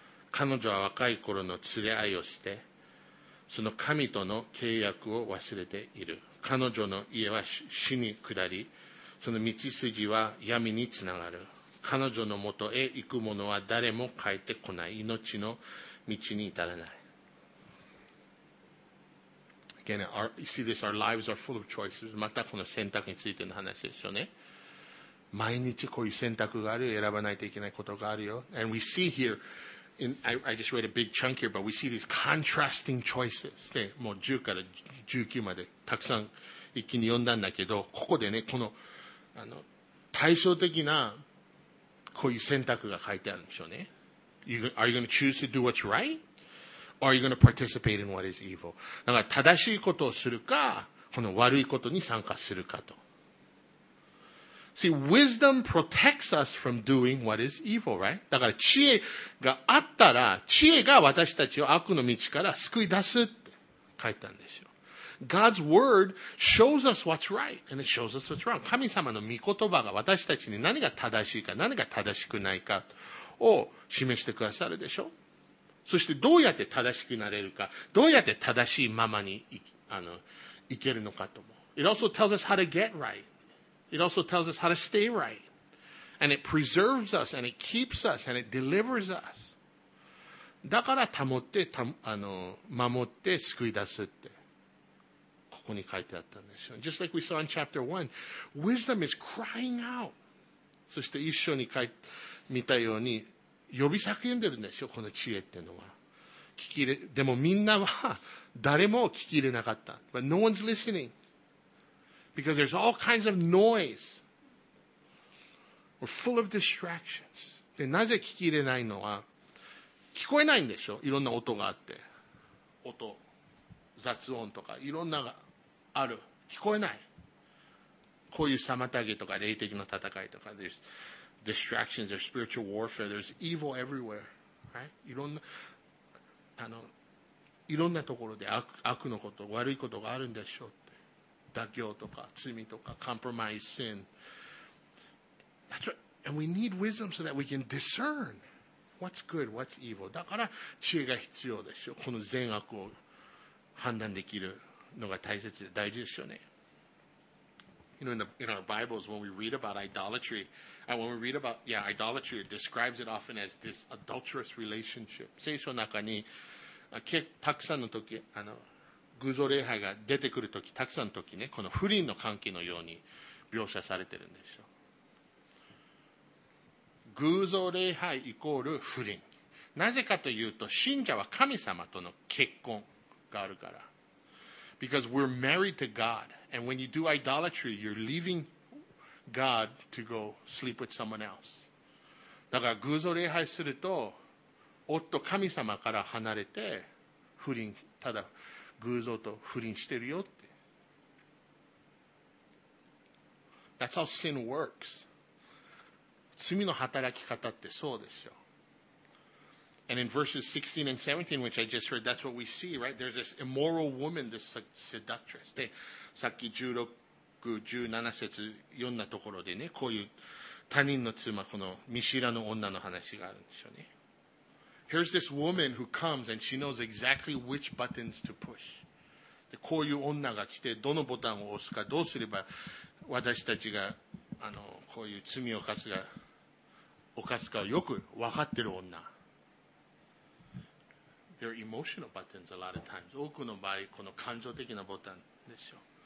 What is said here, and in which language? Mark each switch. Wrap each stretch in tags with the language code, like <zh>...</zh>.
<ja>彼女は若い頃の連れ合いをして、その神との契約を忘れている。彼女の家は死に下り、その道筋は闇につながる。彼女のもとへ行く者は誰も帰ってこない。命の道に至らない。</ja> <en>Again, our, you see this, our lives are full of choices.</en> <ja>またこの選択についての話でしょうね。毎日こういう選択があるよ。選ばないといけないことがあるよ。</ja> <en>And we see here, in, I just read a big chunk here, but we see these contrasting choices.</en> <ja>で、もう10から19までたくさん一気に読んだんだけど、ここでね、この、あの、対照的なこういう選択が書いてあるんでしょうね。</ja> <en>Are you going to choose to do what's right? Or are you going to participate in what is evil?</en> <ja>だから正しいことをするか、この悪いことに参加するかと。</ja> <en>See, wisdom protects us from doing what is evil, right?</en> <ja>だから知恵があったら、知恵が私たちを悪の道から救い出すって書いたんですよ。</ja> <en>God's word shows us what's right and it shows us what's wrong.</en> <ja>神様の御言葉が私たちに何が正しいか、何が正しくないかを示してくださるでしょ。そしてどうやって正しくなれるか、どうやって正しいままにいけるのかとも。</ja> <en>It also tells us how to get right. It also tells us how to stay right. And it preserves us, and it keeps us, and it delivers us.</en> <ja>だから保って、守って救い出すって。ここに書いてあったんですよ。</ja> <en>Just like we saw in chapter 1, wisdom is crying out.</en> <ja>そして一緒に書いて、見たように、呼び叫んでるんでしょ、この知恵っていうのは。聞き入れ、でもみんなは、誰も聞き入れなかった。</ja> <en>But no one's listening. Because there's all kinds of noise. We're full of distractions.</en> <ja>で、なぜ聞き入れないのは、聞こえないんでしょ、いろんな音があって。音、雑音とか、いろんながある。聞こえない。こういう妨げとか、霊的な戦いとか、</ja> <en>there's,distractions, there's spiritual warfare, there's evil everywhere, right?</en> <ja>いろんなところで悪のこと、悪いことがあるんでしょうって。妥協とか、罪とか、</ja> <en>compromise, sin. That's right. And we need wisdom so that we can discern what's good, what's evil.</en> <ja>だから知恵が必要でしょう。この善悪を判断できるのが大切で、大事でしょうね。</ja> <en>You know, in our Bibles, when we read about idolatry,And when we read about, yeah, idolatry, it describes it often as this adulterous relationship.</en> <ja>聖書の中に、たくさんの時、偶像礼拝が出てくる時、たくさんの時ね、この不倫の関係のように描写されてるんでしょう。偶像礼拝イコール不倫。なぜかというと、信者は神様との結婚があるから。</ja> <en>Because we're married to God. And when you do idolatry, you're leaving God to go sleep with someone else.</en> <ja>だから偶像礼拝すると夫神様から離れて不倫、ただ偶像と不倫してるよって。</ja> <en>That's how sin works.</en> <ja>罪の働き方ってそうでしょ。</ja> <en>And in verses 16 and 17, which I just read, that's what we see, right? There's this immoral woman, this seductress.</en> <ja>で、さっき1617節読んだところでね、こういう他人の妻、この見知らぬ女の話があるんでしょうね。</ja> <en>Here's this woman who comes and she knows exactly which buttons to push.</en> <ja>で、こういう女が来て、どのボタンを押すか、どうすれば私たちがこういう罪を犯すかをよく分かってる女。</ja> <en>They're emotional buttons a lot of times.</en> <ja>多くの場合、この感情的なボタンでしょう。</ja>